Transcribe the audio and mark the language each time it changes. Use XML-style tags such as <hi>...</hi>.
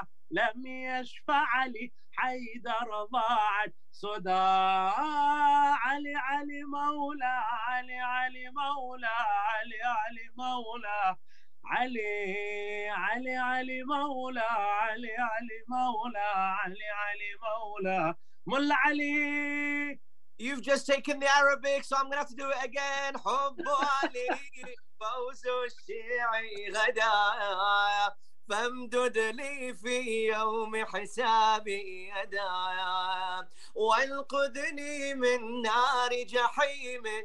<ar>لم يشفع لي حيدر ضاعت صدا علي علي مولى علي علي مولى علي علي مولى علي علي علي مولى علي علي مولى علي علي مولى مولى علي.</ar> <en>You've just taken the Arabic, so I'm gonna have to do it again.</en> <ar>حب علي فوز الشيعي غدا فامدد لي في يوم حسابي يدا وانقذني من نار جحيم</ar>